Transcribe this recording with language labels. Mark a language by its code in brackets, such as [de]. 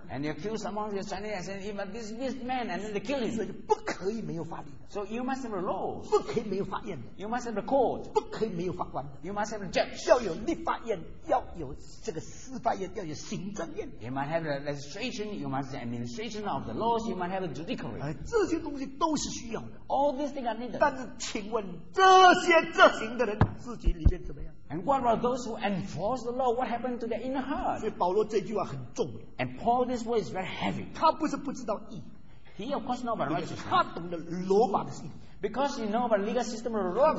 [en] And you kill someone with Chinese and say, if this man and then they kill him, [zh] 所以就不可以没有法律。 [en] So you must have a law, [zh] 不可以没有法院。 [en] You must have a court, [zh] 不可以没有法官。 [en] You must have a judge, [zh] 要有立法院， 要有这个司法院， 要有行政院。 [en] You must have a legislation, you must have administration of the laws, you must have a judiciary. [zh] 这些东西都是需要的。 [en] All these things are needed. [zh] 但是请问这些执行的人， 自己里面怎么样？ [en] And what about those who enforce the law? What happened to their inner heart? [zh] 所以保罗这句话很重。 [en] And Paul this word is very heavy. [zh] 他不是不知道义。 [en] He of course knows about righteousness. [zh] 他懂得罗马的心。 [en] Because he knows about legal system of Rome.